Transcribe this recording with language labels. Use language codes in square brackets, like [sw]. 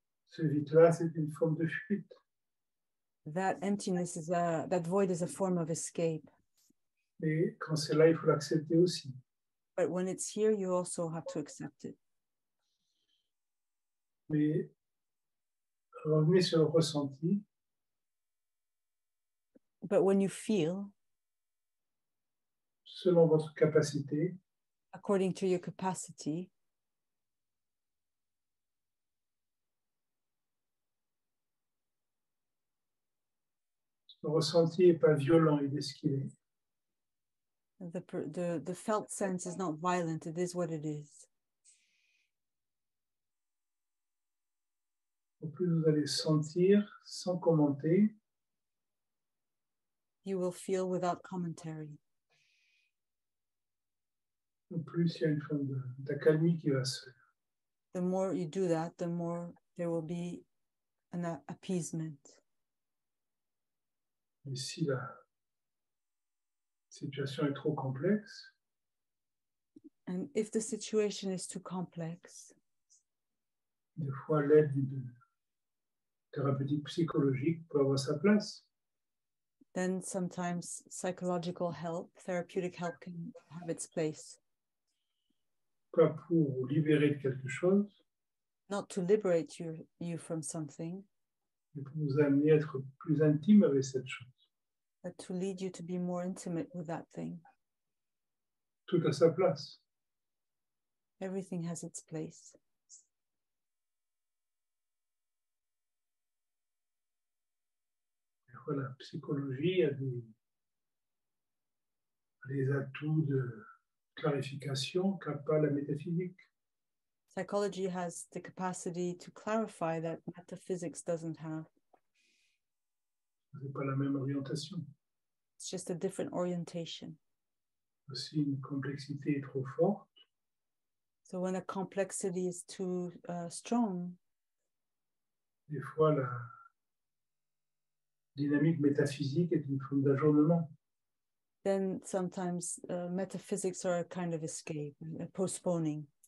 [fr] Ce vide-là, c'est une forme de fuite. [en] That emptiness is that void is a form of escape. [fr] Et quand c'est là, il faut l'accepter aussi. [en] But when it's here, you also have to accept it. [fr] Mais revenez sur le ressenti. [en] But when you feel, [fr] selon votre capacité, [en] according to your capacity, [fr] Le ressenti est pas violent, il est ce qu'il est. [en] The felt sense is not violent, it is what it is. [fr] Au plus vous allez sentir sans commenter, [en] you will feel without commentary. [fr] Au plus il y a une forme d'accalmie qui va se faire. [en] The more you do that, the more there will be an appeasement. [fr] Et si la situation est trop complexe, [en] and if the situation is too complex, [fr] des fois l'aide d'une thérapeutique psychologique peut avoir sa place. [en] Then sometimes psychological help, therapeutic help can have its place. [fr] Pas pour libérer de quelque chose. [en] Not to liberate you from something. [fr] Mais pour vous amener à être plus intime avec cette chose. [en] But to lead you to be more intimate with that thing. [fr] Tout à sa place. [en] Everything has its place. [fr] La psychologie a des atouts de clarification qu'a pas la métaphysique. [en] Psychology has the capacity to clarify that metaphysics doesn't have. [fr] C'est pas la même orientation. [en] It's just a different orientation. [fr] Aussi, une complexité est trop forte. [en] So when a complexity is too strong. [fr] Des fois la dynamique métaphysique est une forme d'ajournement. [en] Then sometimes metaphysics are a kind of escape, a postponing.